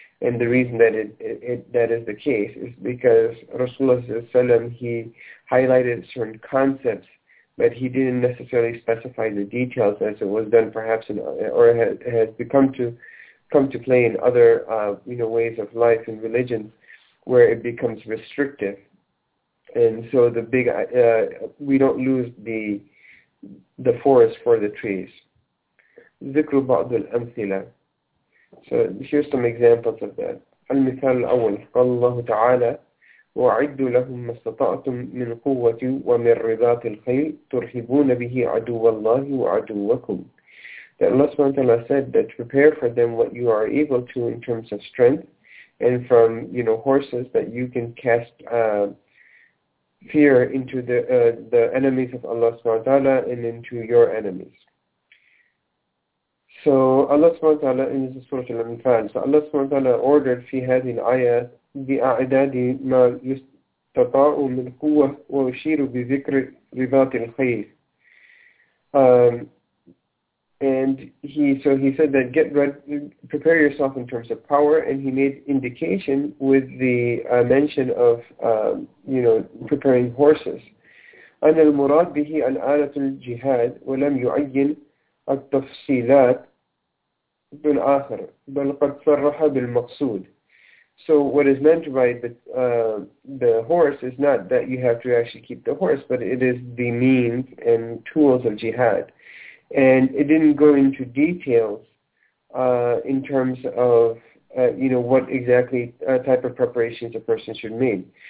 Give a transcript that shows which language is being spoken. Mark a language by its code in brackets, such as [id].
[en] And the reason that it that is the case is because Rasulullah, he highlighted certain concepts, but he didn't necessarily specify the details, as it was done perhaps in, or has become to come to play in other you know, ways of life and religions, where it becomes restrictive. And so the big we don't lose the forest for the trees. [ar] ذكر بعض الأمثلة. [en] So here's some examples of that. [ar] المثال الأول, قال الله تعالى وأعد لهم ما استطعتم من قوة ومن رباط الخيل ترهبون به عدو الله وعدوكم. [en] That Allah subhanahu wa ta'ala said that prepare for them what you are able to in terms of strength, and from, you know, horses that you can cast fear into the enemies of Allah subhanahu wa ta'ala and into your enemies. So Allah subhanahu wa ta'ala, in this Surah Al-Anfal, so Allah subhanahu wa ta'ala ordered [ar] في هذه الآية بأعداد ما يستطاع من قوة ويشير بذكر رباط الخيل. [en] And he said that prepare yourself in terms of power, and he made indication with the mention of you know, preparing horses. [ar] أن المراد به الآلة الجهاد ولم يعين التفصيلات بالآخر بل قد صرح بالمقصود. [en] So what is meant by the horse is not that you have to actually keep the horse, but it is the means and tools of jihad. And it didn't go into details in terms of you know, what exactly type of preparations a person should make.